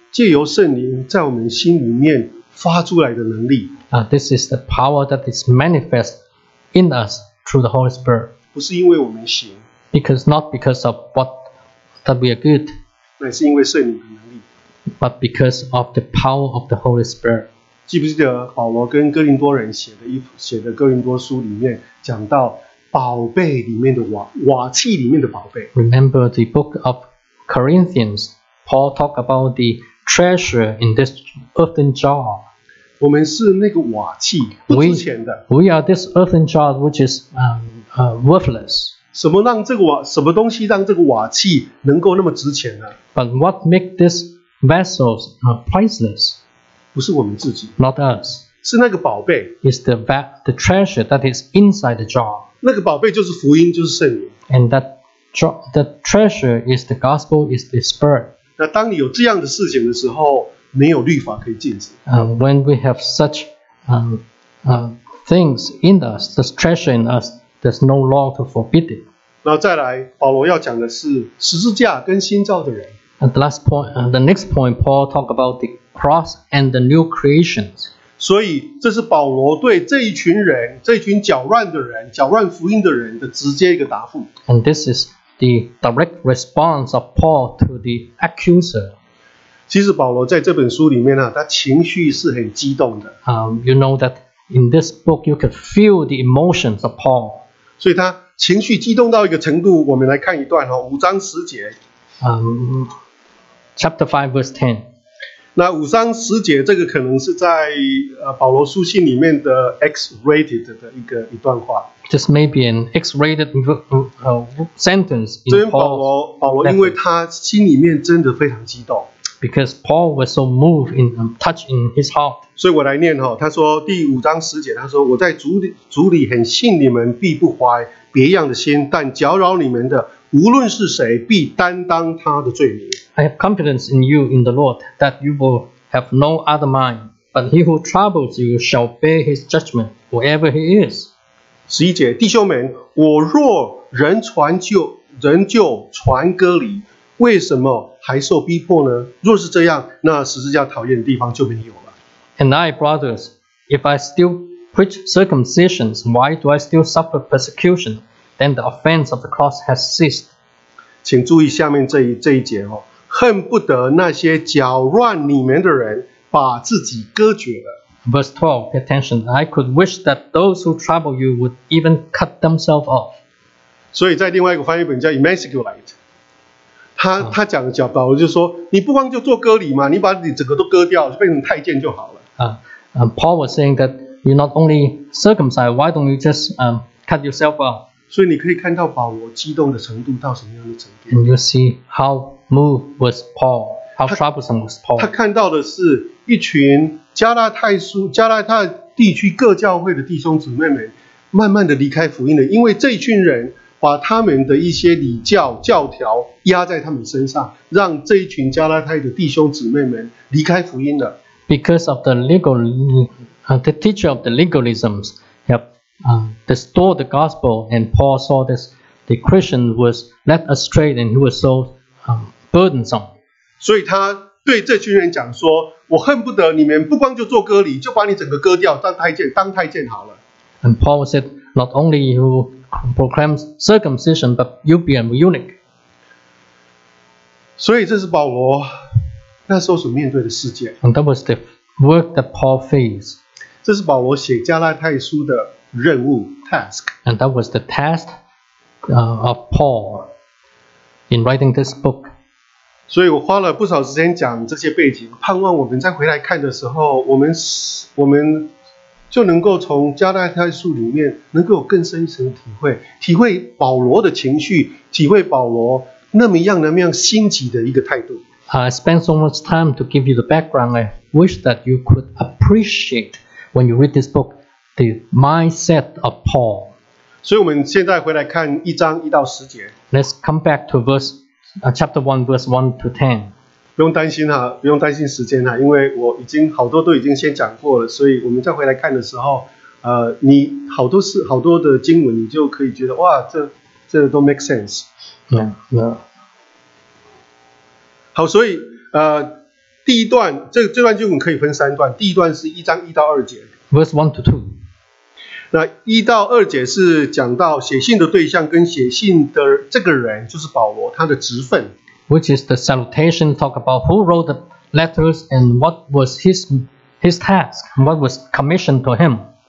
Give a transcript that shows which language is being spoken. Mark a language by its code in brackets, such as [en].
[zh] 借由圣灵在我们心里面发出来的能力。 [en] This is the power that is manifest in us through the Holy Spirit. [zh] 不是因为我们行。 [en] Because not because of that we are good. [zh] 乃是因为圣灵的能力。 [en] But because of the power of the Holy Spirit. [zh] 记不记得保罗跟哥林多人写的哥林多书里面讲到宝贝里面的瓦器里面的宝贝。 [en] Remember the book of Corinthians. Paul talked about the treasure in this earthen jar. [zh] 我们是那个瓦器，不值钱的。 [en] We are this earthen jar which is worthless. [zh] 什么东西让这个瓦器能够那么值钱呢？ [en] But what makes this vessels priceless? [zh] 不是我们自己。 [en] Not us. [zh] 是那个宝贝。 [en] It's the treasure that is inside the jar. [zh] 那个宝贝就是福音，就是圣灵。 [en] And the treasure is the gospel, is the Spirit. [zh] 那当你有这样的事情的时候，没有律法可以禁止。 [en] When we have such things in us, this treasure in us, there's no law to forbid it. [zh] 那再来，保罗要讲的是十字架跟新造的人。 [en] And the last point, the next point, Paul talk about the cross and the new creations. [zh] 所以这是保罗对这一群人，这一群搅乱的人，搅乱福音的人的直接一个答复。 [en] And this is the direct response of Paul to the accuser. [zh] 其实保罗在这本书里面，他情绪是很激动的。 [en] You know that in this book you can feel the emotions of Paul. [zh] 所以他情绪激动到一个程度，我们来看一段，五章十节。 [en] Chapter 5 verse 10. [zh] 那五章十节这个可能是在保罗书信里面的 X-rated 的一段话。 [en] This may be an X-rated sentence in Paul's letter. [zh] 保罗因为他心里面真的非常激动。 [en] Because Paul was so moved in touch in his heart. [zh] 所以我来念，他说第五章十节，他说我在主里很信你们必不怀别样的心，但搅扰你们的无论是谁必担当他的罪名。 [en] I have confidence in you in the Lord that you will have no other mind, but he who troubles you shall bear his judgment, whoever he is. [zh] 十一节，弟兄们，我若仍旧传割礼，为什么还受逼迫呢？若是这样，那十字架讨厌的地方就没有了。 [en] And I, brothers, if I still preach circumcisions, why do I still suffer persecution? Then the offense of the cross has ceased. [zh] 请注意下面这一节。恨不得那些搅乱你们的人把自己割绝了。 [en] Verse 12, pay attention. I could wish that those who trouble you would even cut themselves off. [zh] 所以在另外一个翻译本叫 emasculate。他讲的叫保罗就说，你不光就做割礼嘛，你把你整个都割掉，就变成太监就好了。 [en] Paul was saying that you not only circumcised, why don't you just cut yourself off? [zh] 所以你可以看到保罗激动的程度到什么样的程度。 [en] And you see how move was Paul, how troublesome was Paul. [zh] 他看到的是一群加拉太地区各教会的弟兄姊妹们慢慢的离开福音了，因为这群人把他们的一些礼教教条压在他们身上，让这一群加拉太的弟兄姊妹们离开福音了。 [en] Because of the legal The teacher of the legalism have distorted the gospel, and Paul saw this. The Christian was led astray, and he was so burdensome. [zh] 所以他对这群人讲说, 我恨不得你们不光就做割礼, 就把你整个割掉, 当太监, 当太监好了。 [en] And Paul said, not only you proclaim circumcision, but you be a eunuch. [zh] 所以这是保罗, 那时候所面对的世界。 [en] And that was the work that Paul faced. [zh] 这是保罗写加拉太书的任务, task. [en] And that was the task of Paul in writing this book. [zh] 所以我花了不少时间讲这些背景, 盼望我们再回来看的时候, 我们就能够从加拉太书里面能够有更深一层的体会, 体会保罗的情绪, 体会保罗那么样的那么样心急的一个态度。 [en] I spent so much time to give you the background. I wish that you could appreciate when you read this book, the mindset of Paul. [zh] 所以我们现在回来看一章一到十节。 [en] Let's come back to verse chapter 1, verse 1 to 10. [zh] 不用担心啊, 不用担心时间啊, 因为我已经好多都已经先讲过了, 所以我们再回来看的时候, 你好多的经文, 你就可以觉得, 哇, 这都 [en] make sense. Yeah. [zh] 好, 所以, 第一段, 这段经文可以分三段, 第一段是一章一到二节。 [en] Verse 1 to 2. [zh] 那一到二节是讲到写信的对象跟写信的这个人就是保罗他的职分, [en] which is the salutation, talk about who wrote the letters and what was his task, what was commissioned to him.